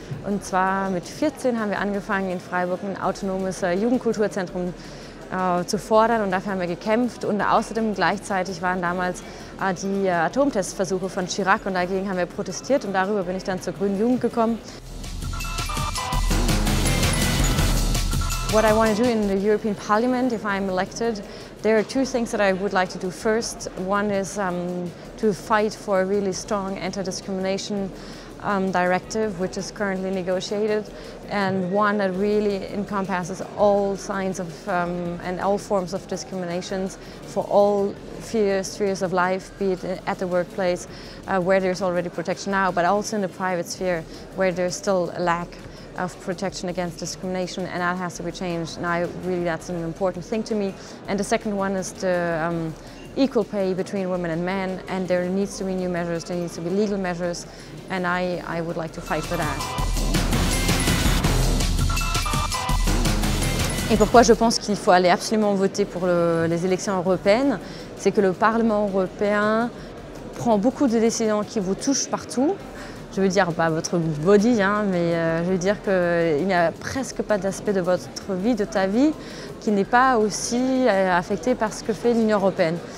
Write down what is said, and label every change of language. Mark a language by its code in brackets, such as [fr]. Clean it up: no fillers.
[de] Und zwar mit 14 haben wir angefangen, in Freiburg ein autonomes Jugendkulturzentrum zu fordern. Und dafür haben wir gekämpft. Und außerdem gleichzeitig waren damals die Atomtestversuche von Chirac. Und dagegen haben wir protestiert. Und darüber bin ich dann zur Grünen Jugend gekommen. [en] What I want to do in the European Parliament, if I'm elected, there are two things that I would like to do first. One is to fight for a really strong anti-discrimination directive, which is currently negotiated, and one that really encompasses all signs of and all forms of discriminations for all spheres of life, be it at the workplace, where there's already protection now, but also in the private sphere, where there's still a lack of protection against discrimination, and that has to be changed. And I really, that's an important thing to me. And the second one is the equal pay between women and men, and there needs to be new measures, there needs to be legal measures, and I would like to fight for that. [fr] Et pourquoi je pense qu'il faut aller absolument voter pour les élections européennes, c'est que le Parlement européen prend beaucoup de décisions qui vous touchent partout. Je veux dire, pas votre body, hein, mais je veux dire qu'il n'y a presque pas d'aspect de votre vie, de ta vie, qui n'est pas aussi affecté par ce que fait l'Union européenne.